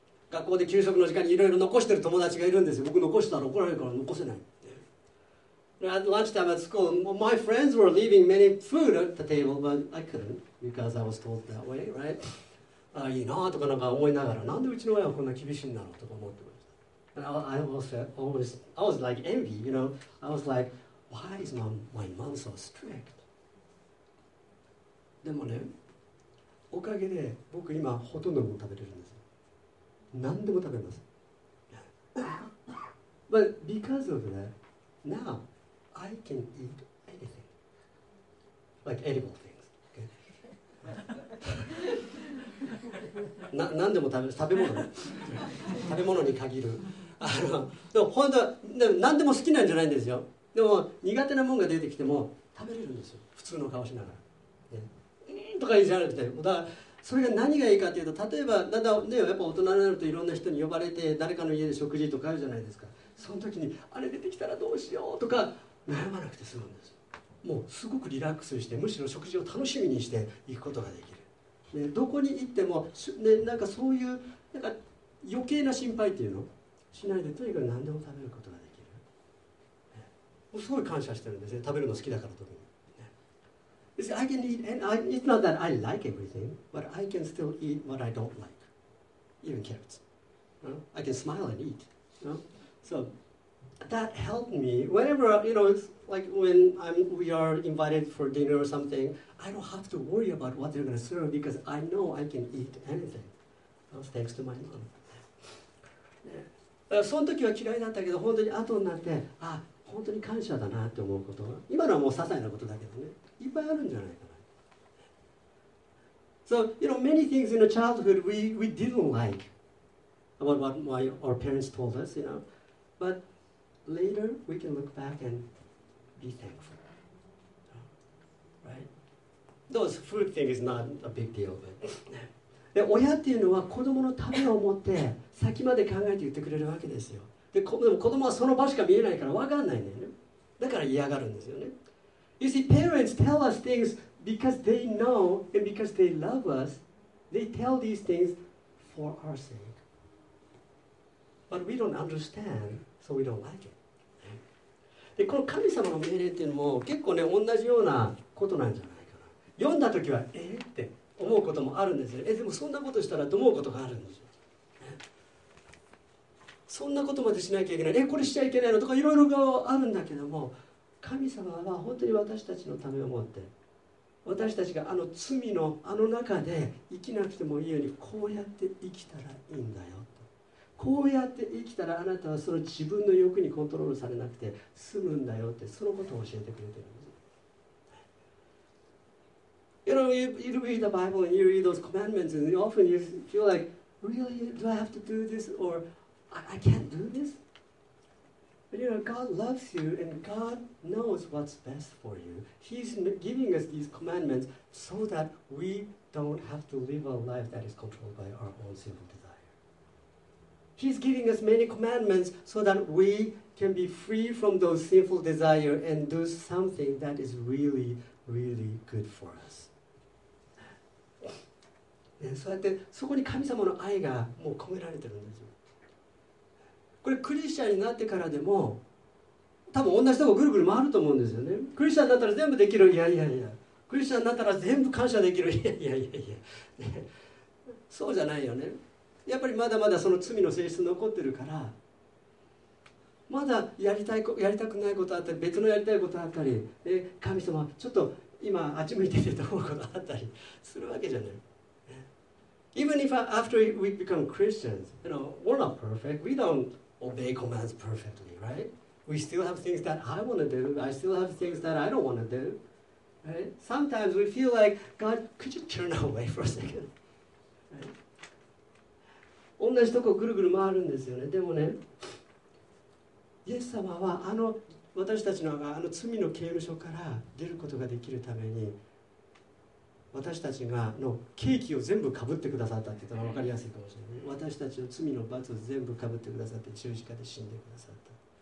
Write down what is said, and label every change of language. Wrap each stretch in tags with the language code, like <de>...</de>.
<ja>学校で給食の時間にいろいろ残してる友達がいるんですよ。僕残したら怒られるから残せない。</ja> <en>At lunchtime at school, my friends were leaving many food at the table, but I couldn't because I was told that way, right?</en> <ja>いいなとかなんか思いながら、なんでうちの親はこんな厳しいんだろうとか思ってました。</ja> <en>And I was like envy, you know? I was like, why is my mom so strict?</en> <ja>でもね、おかげで僕今ほとんども食べれるんですよ。何でも食べます。</ja> <en>But because of that, now,I can eat anything, like edible things.</en> <ja>Okay. 何でも食べ物食べ物に限る。でも本当は何でも好きなんじゃないんですよ。でも苦手なものが出てきても食べれるんですよ、普通の顔しながら、ね、とか言いじゃなくて。だからそれが何がいいかというと、例えばだんだん、ね、やっぱ大人になるといろんな人に呼ばれて誰かの家で食事とかあるじゃないですか。その時にあれ出てきたらどうしようとか悩まなくて済むんです。もうすごくリラックスして、むしろ食事を楽しみにしていくことができる、ね、どこに行っても、ね、なんかそういうなんか余計な心配っていうのしないで、とにかく何でも食べることができる、ね、もうすごい感謝してるんですね、食べるの好きだから。特に</ja> <en>I can eat, and it's not that I like everything, but I can still eat what I don't like, even carrots. I can smile and eat. So that helped me. Whenever, you know, it's like when we are invited for dinner or something, I don't have to worry about what they're going to serve because I know I can eat anything. Thanks to my mom.</en> <ja>その時は嫌いだったけど、本当に後になって、あ、本当に感謝だなって思うこと。今のはもう些細なことだけどね。いっぱいあるんじゃないかな。</ja> <en>So, you know, many things in the childhood we didn't like about what my, our parents told us, you know. But later we can look back and be thankful. Right? Those food thing is not a big deal, but...</en> <ja>で、親っていうのは子供のためを思って先まで考えて言ってくれるわけですよ。で、でも子供はその場しか見えないから分かんないんだよね。だから嫌がるんですよね。</ja> <en>You see, parents tell us things because they know and because they love us. They tell these things for our sake. But we don't understand, so we don't like it.</en> <ja>で、この神様の命令っていうのも結構ね、同じようなことなんじゃないかな。読んだときは、えって思うこともあるんですよ。え、でもそんなことしたらと思うことがあるんですよ。そんなことまでしなきゃいけない。え、これしちゃいけないのとかいろいろがあるんだけども、神様は本当に私たちのためを思って、私たちがあの罪のあの中で生きなくてもいいように、こうやって生きたらいいんだよと。こうやって生きたらあなたはその自分の欲にコントロールされなくて済むんだよって、そのことを教えてくれてるんです。</ja> <en>You know, you read the Bible and you read those commandments and often you feel like, really, do I have to do this or I can't do this? But you know, God loves you and God knows what's best for you. He's giving us these commandments so that we don't have to live a life that is controlled by our own sinful desire. He's giving us many commandments so that we can be free from those sinful desires and do something that is really, really good for us.</en> <ja>そうやってそこに神様の愛がもう込められてるんですよ。これクリスチャンになってからでも多分同じとこぐるぐる回ると思うんですよね。クリスチャンになったら全部できる、いやいやいや、クリスチャンになったら全部感謝できる、いやいやいやいや、ね、そうじゃないよね。やっぱりまだまだその罪の性質残ってるから、まだやりたい、やりたくないことあったり、別のやりたいことあったり、ね、神様ちょっと今あっち向いててと思うことあったりするわけじゃない。</ja> <en>Even if after we become Christians, you know, we're not perfect. We don't obey commands perfectly, right? We still have things that I want to do. I still have things that I don't want to do, right? Sometimes we feel like, God, could you turn away for a second? Right?</en> <ja>同じとこぐるぐる回るんですよね。でもね、イエス様はあの私たちのあの罪の刑務所から出ることができるために、私たちがの刑期を全部かぶってくださったって言ったら分かりやすいかもしれない。私たちの罪の罰を全部かぶってくださって、十字架で死んでくださった。</ja>